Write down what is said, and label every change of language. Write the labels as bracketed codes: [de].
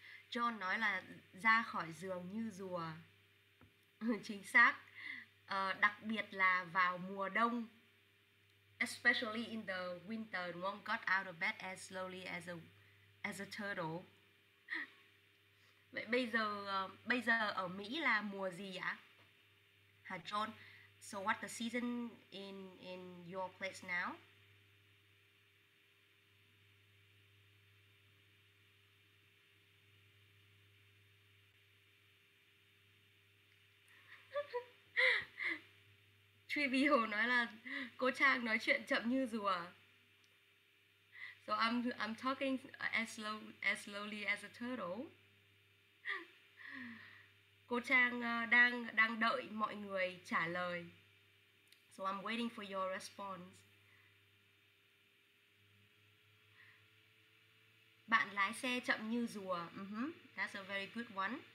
[vi] John nói là ra khỏi giường như rùa. Chính xác. Đặc biệt là vào mùa đông. [en] Especially in the winter, one got out of bed as slowly as a turtle. [vi] Vậy bây giờ ở Mỹ là mùa gì ạ? Hả John? [en] So what the season in your place now? [vi] TVO nói là cô Trang nói chuyện chậm như rùa. [en] So I'm talking as slowly as a turtle. [vi] Cô Trang đang đợi mọi người trả lời. [en] So I'm waiting for your response. [vi] Bạn lái xe chậm như rùa. [en] That's a very good one.